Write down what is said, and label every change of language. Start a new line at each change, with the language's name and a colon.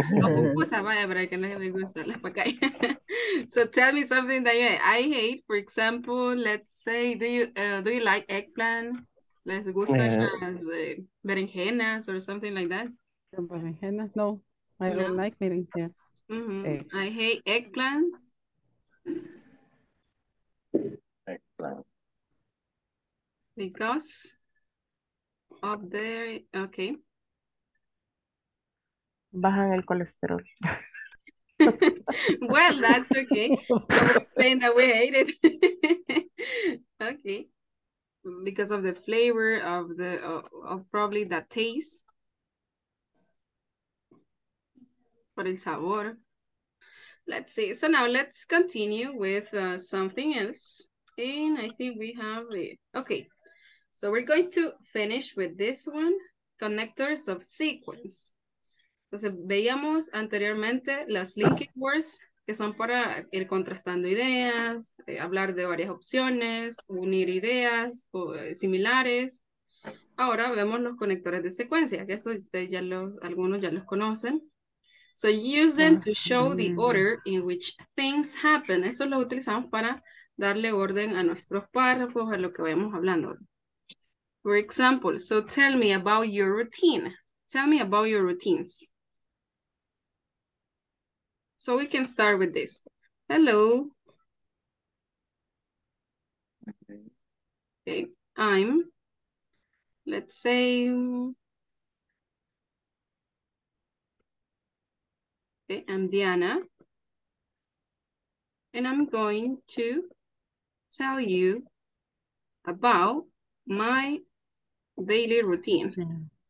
Spanish: O pupusa, vaya, para que no le guste la pacaya.
English: So tell me something that you hate. I hate, for example, let's say, do you like eggplant?
Spanish: ¿Les gusta las berenjenas
English: or something like that?
Spanish: Berenjenas, no.
English: I don't like berenjenas. Mm-hmm. I hate eggplants. Eggplant. Because of the okay.
Spanish: Bajan el colesterol.
English: Well, that's okay. Saying that we hate it. Okay. Because of the flavor of the of probably the taste.
Spanish: Por el sabor.
English: Let's see. So now let's continue with something else. And I think we have it. Okay. So we're going to finish with this one. Connectors of sequence.
Spanish: Entonces veíamos anteriormente las linking words que son para ir contrastando ideas, hablar de varias opciones, unir ideas similares. Ahora vemos los conectores de secuencia, que eso ustedes ya los, algunos ya los conocen.
English: So use them to show the order in which things happen.
Spanish: Eso lo utilizamos para darle orden a nuestros párrafos, a lo que vayamos hablando.
English: For example, so tell me about your routine. Tell me about your routines. So we can start with this. Hello. Okay, I'm, let's say, okay, I'm Diana, and I'm going to tell you about my daily routine.